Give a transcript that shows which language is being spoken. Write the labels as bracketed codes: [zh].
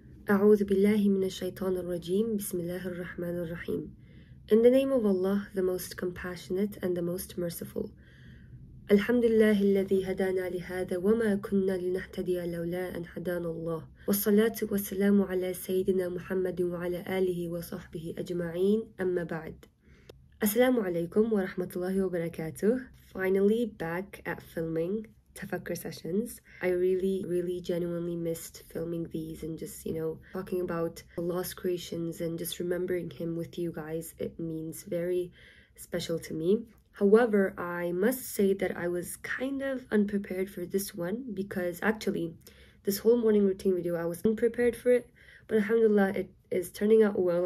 [ar] أعوذ بالله من الشيطان الرجيم بسم الله الرحمن الرحيم. [en] In the name of Allah, the most compassionate and the most merciful. [ar] الحمد لله الذي هدانا لهذا وما كنا لنهتدي لولا أن هدانا الله والصلاة والسلام على سيدنا محمد وعلى آله وصحبه أجمعين أما بعد السلام عليكم ورحمة الله وبركاته. [en] Finally back at filming tafakkur sessions. I really, really genuinely missed filming these and just, you know, talking about Allah's creations and just remembering Him with you guys. It means very special to me. However, I must say that I was kind of unprepared for this one because actually this whole morning routine video, I was unprepared for it, but alhamdulillah, it is turning out well.